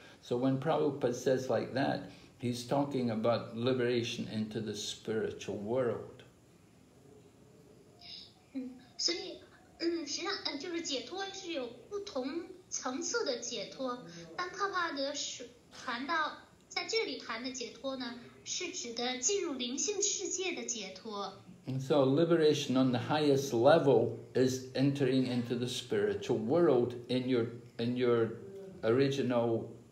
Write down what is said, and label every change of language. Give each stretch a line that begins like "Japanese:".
English: So when Prabhupada says like that, he's talking about liberation into the spiritual world.
Chinese: 所以实际上就是解脱是有不同层次的解脱。当帕帕德谈到在这里谈的解脱呢，是指的进入灵性世界的解脱。
English: So liberation on the highest level is entering into the spiritual world in your original.